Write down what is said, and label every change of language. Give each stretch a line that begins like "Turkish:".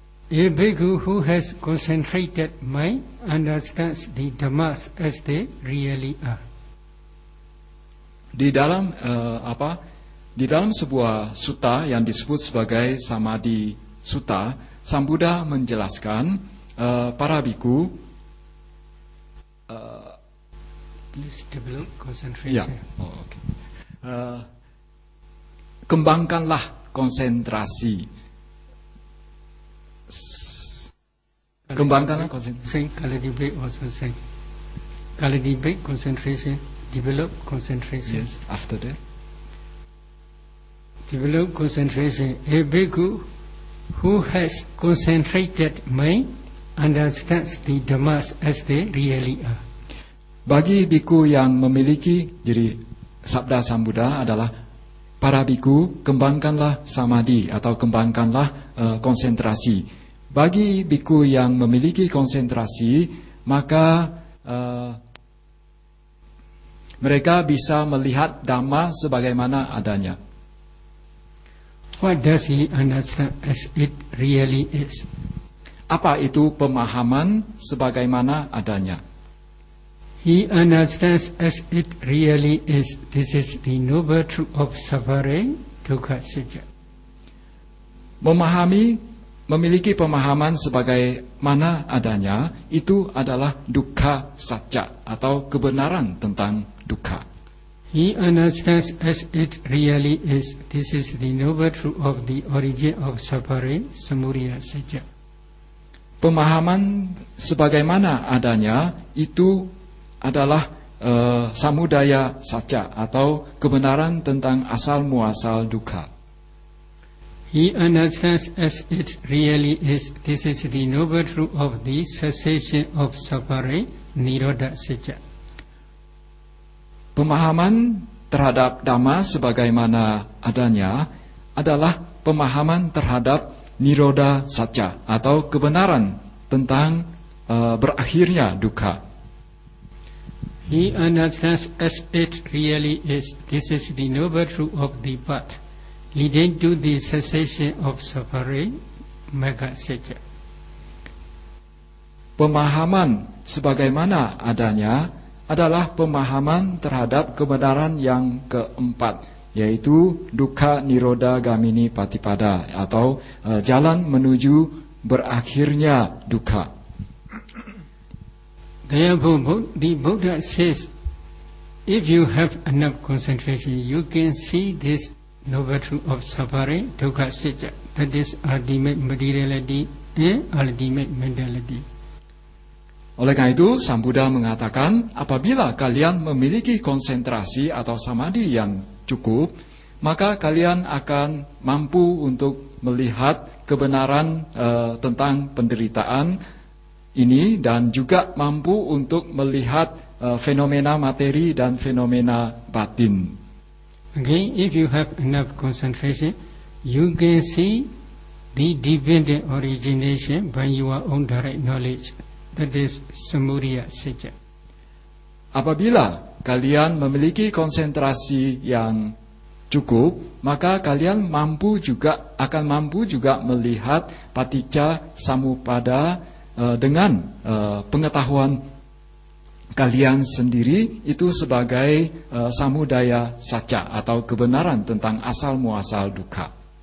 English: A bhikkhu who has concentrated mind understands the dhammas as they really are.
Indonesian: Di dalam di dalam sebuah sutta yang disebut sebagai Samadhi Sutta, Sang Buddha menjelaskan para bhikkhu
English: please develop concentration.
Indonesian: Yeah. Kembangkanlah konsentrasi. Kembangkanlah konsentrasi.
English: Kalidibik also say. Kalidibik concentration, develop concentration. Yes, after that. Develop concentration. A bhikkhu who has concentrated mind understands the dhammas as they really are.
Indonesian: Bagi bhikkhu yang memiliki, jadi sabda Sang Buddha adalah, para bhikkhu, kembangkanlah samadhi, atau kembangkanlah konsentrasi. Bagi bhikkhu yang memiliki konsentrasi, maka mereka bisa melihat dhamma sebagaimana adanya.
English: What does he understand as it really is?
Indonesian: Apa itu pemahaman sebagaimana adanya?
English: He understands as it really is. This is the noble truth of suffering, dukkha, sejja.
Indonesian: Memahami, memiliki pemahaman sebagai mana adanya, itu adalah dukkha sejja, atau kebenaran tentang dukkha.
English: He understands as it really is. This is the noble truth of the origin of suffering, Samudaya Saja.
Indonesian: Pemahaman sebagaimana adanya itu adalah Samudaya Saja atau kebenaran tentang asal muasal dukkha.
English: He understands as it really is. This is the noble truth of the cessation of suffering, Nirodha Saja.
Indonesian: Pemahaman terhadap Dhamma sebagaimana adanya adalah pemahaman terhadap Nirodha Saja atau kebenaran tentang berakhirnya dukkha.
English: He understands as it really is. This is the noble truth of the path leading to the cessation of suffering, Magga Saja.
Indonesian: Pemahaman sebagaimana adanya adalah pemahaman terhadap kebenaran yang keempat, yaitu Dukkha Nirodha Gamini Patipada, atau jalan menuju berakhirnya dukkha.
English: Therefore, the Buddha says, if you have enough concentration, you can see this noble truth of suffering, Dukkha Saja, that is ultimate materiality and ultimate mentality.
Indonesian: Oleh karena itu, Sang Buddha mengatakan, apabila kalian memiliki konsentrasi atau samadhi yang cukup, maka kalian akan mampu untuk melihat kebenaran tentang penderitaan ini, dan juga mampu untuk melihat fenomena materi dan fenomena batin.
English: Again, if you have enough concentration, you can see the dependent origination by your own direct knowledge. That is Samudaya Saja.
Indonesian: Apabila kalian memiliki konsentrasi yang cukup, maka kalian mampu juga akan mampu juga melihat Paticca Samuppada dengan pengetahuan kalian sendiri, itu sebagai Samudaya Saja atau kebenaran tentang asal muasal dukkha.